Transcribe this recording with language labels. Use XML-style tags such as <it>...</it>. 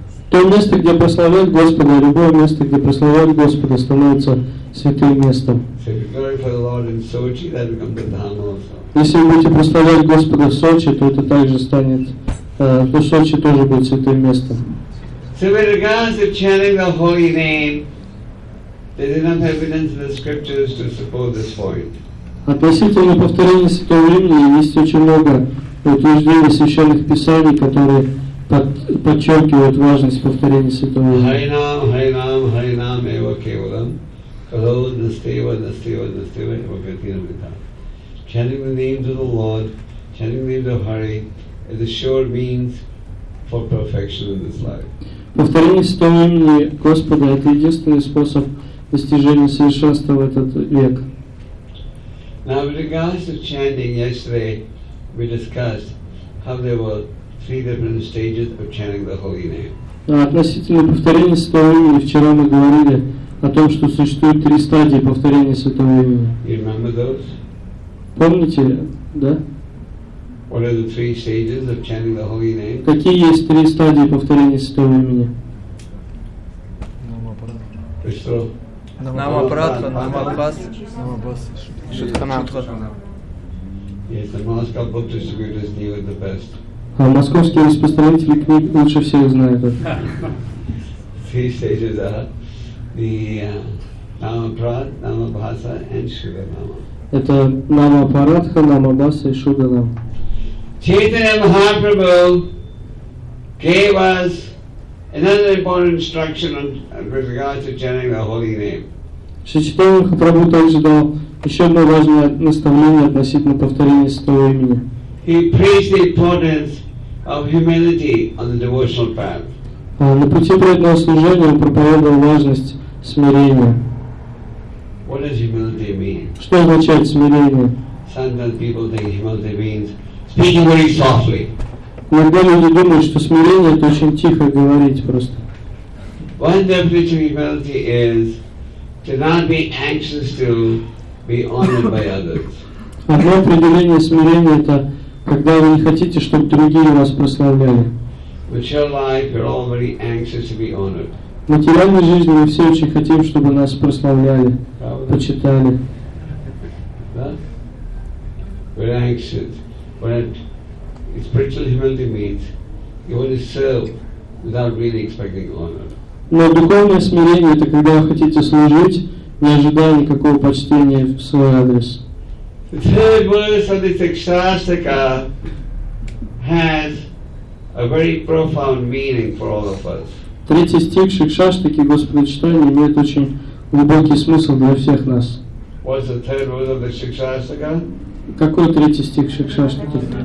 <ru>То место, где прославляют Господа, любое место, где прославляют Господа, становится святым местом. Если вы будете прославлять Господа в Сочи, то это также станет, то Сочи тоже будет святым местом.</ru> <en>So with regards to chanting the holy name, there's enough evidence in the scriptures to support this point.</en> <ru>Относительно повторения святого имени есть очень много утверждений священных писаний, которые подчеркивают важность повторения святого имени.</ru> <sa>Хайнам, хайнам, хайнам, эва кевалам. Калау, настева, настева, настева, эва кетинам ита.</sa> <en>Chanting the names of the Lord, chanting the name of Hari, is a sure means for perfection in this life.</en> <ru>Повторение святого имени Господа – это единственный способ достижения совершенства в этот век.</ru> <en>Now, with regards to chanting, yesterday we discussed how there were three different stages of chanting the holy name.</en> <ru>Относительно повторения святого имени, вчера мы говорили о том, что существует три стадии повторения Святого Имени.</ru> <en>You remember those?</en> <ru>Помните, да?</ru> <en>What are the three stages of chanting the holy name?</en> <ru>Какие есть три стадии повторения Святого Имени?</ru> <sa>Намапратха, намапас, шутханатха.</sa> <en>Yes, the Moscow book distributors knew it the best. Three stages are the Намапратха, намабаса and шуданама.</en> <ru>Это намапратха, намабаса и шуданама.</ru> <en>Chaitanya Mahaprabhu gave us another important instruction with regard to chanting the holy name.</en> <ru>Шри Чайтанья Махапрабху также дал еще одно важное наставление относительно повторения Святого Имени.</ru> <en>He preached the importance of humility on the devotional path.</en> <ru>На пути преданного служения он проповедовал важность смирения.</ru> <en>What does humility mean?</en> <ru>Что означает смирение?</ru> <en>Sometimes people think humility means speaking very softly.</en> <ru>Иногда люди думают, что смирение — это очень тихо говорить просто.</ru> <en>One definition of humility is to not be anxious to be honored by others.</en> <ru>Одно определение смирения — это когда вы не хотите, чтобы другие вас прославляли.</ru> <en>With your life, you're all very anxious to be honored.</en> <ru>В материальной жизни мы все очень хотим, чтобы нас прославляли, почитали.</ru> <en>We're anxious, but spiritual humility means you want to serve without really expecting honor.</en> <ru>Но духовное смирение — это когда вы хотите служить, не ожидая никакого почтения в свой адрес.</ru> <en>The third verse of the Shastaka has a very profound meaning for all of us.</en> <ru>Третий стих Шикшаштаки Господа Читания имеет очень глубокий смысл для всех нас.</ru> <en>What's the third verse of the Shikshastaka?</en> <ru>Какой третий стих Шикшаштаки?</ru>